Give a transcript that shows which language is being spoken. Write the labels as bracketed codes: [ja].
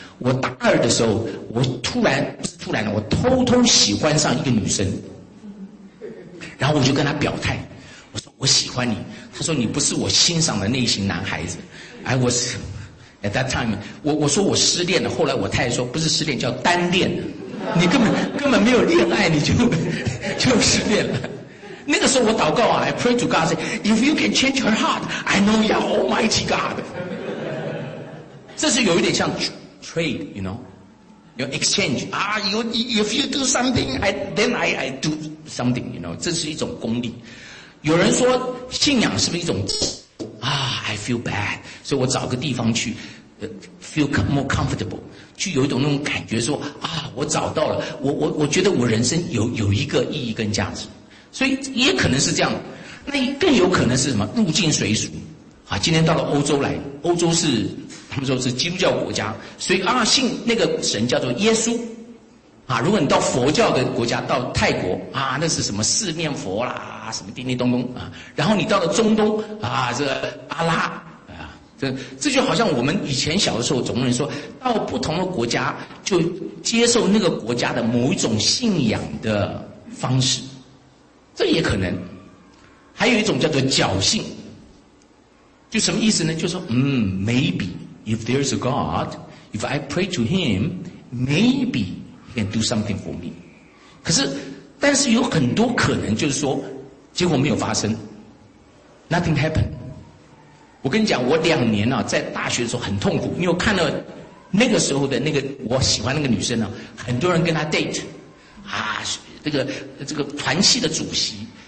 [zh] 我大二的时候，我突然的，我偷偷喜欢上一个女生，然后我就跟她表态，我说我喜欢你。她说你不是我欣赏的类型男孩子。 [en] I was at that time， [zh] 我说我失恋了。后来我太太说不是失恋，叫单恋，你根本没有恋爱，你就失恋了。那个时候我祷告啊 [en] ，I pray to God say if you can change her heart, I know you are Almighty God。这是有一点像 trade, you know, your exchange 啊 ，you if you do something, I do something, you know, 这是一种功利。 [zh] 有人说信仰是不是一种啊 ， [en] I feel bad, [zh] 所以我找个地方去 [en] feel more comfortable。 [zh] 就有一种那种感觉说啊，我找到了，我觉得我人生有一个意义跟价值。所以也可能是这样，那更有可能是什么？入境随俗啊！今天到了欧洲来，欧洲是他们说是基督教国家，所以啊，信那个神叫做耶稣啊。如果你到佛教的国家，到泰国啊，那是什么四面佛啦，什么叮叮咚咚啊。然后你到了中东啊，这个阿拉啊，这就好像我们以前小的时候，总有人说到不同的国家就接受那个国家的某一种信仰的方式。这也可能，还有一种叫做侥幸，就什么意思呢？就说 [en] maybe if there's a God, if I pray to Him, maybe He can do something for me。 [zh] 但是有很多可能，就是说结果没有发生 ， [en] nothing happened。 [zh] 我跟你讲，我2年啊，在大学的时候很痛苦，因为我看了那个时候的那个我喜欢那个女生啊，很多人跟她 date 啊。这个团契的主席，